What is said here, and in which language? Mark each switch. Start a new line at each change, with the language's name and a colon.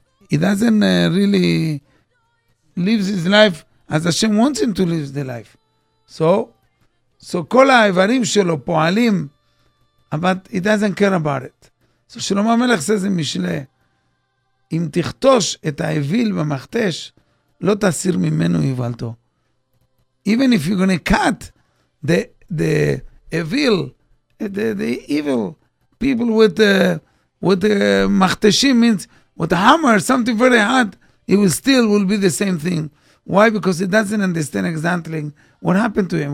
English: he doesn't really lives his life as Hashem wants him to live the life. So
Hebrew: kol ha'evarim shelo po'alim,
English: but he doesn't care about it. So Shlomo HaMelech says in Mishle,
Hebrew: אם תכתוש את האוויל במחתש, לא תסיר ממנו יבלתו.
English: Even if you're going to cut the evil people with the machteshim means with a hammer, something very hard, it will still will be the same thing. Why? Because he doesn't understand exactly what happened to him.